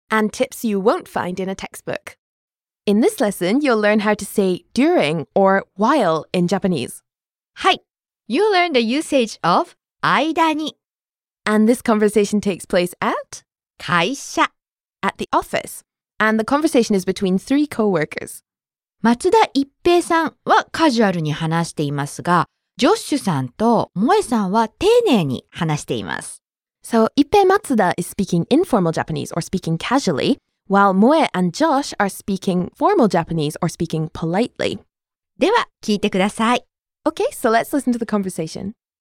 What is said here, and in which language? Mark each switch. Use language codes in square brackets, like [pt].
[en] and tips you won't find in a textbook. In this lesson, you'll learn how to say during or while in Japanese. [ja] はい! [en] You'll learn the usage of 間に. And this conversation takes place at? [ja] 会社. [en] At the office. And the conversation is between three co-workers. [ja] 松田一平さんはカジュアルに話していますが、ジョッシュさんと萌えさんは丁寧に話しています。 [en] So, 一平松田 is speaking informal Japanese or speaking casually, while 萌え and Josh are speaking formal Japanese or speaking politely. [ja] では、聞いてください。 [en] Okay, so let's listen to the conversation.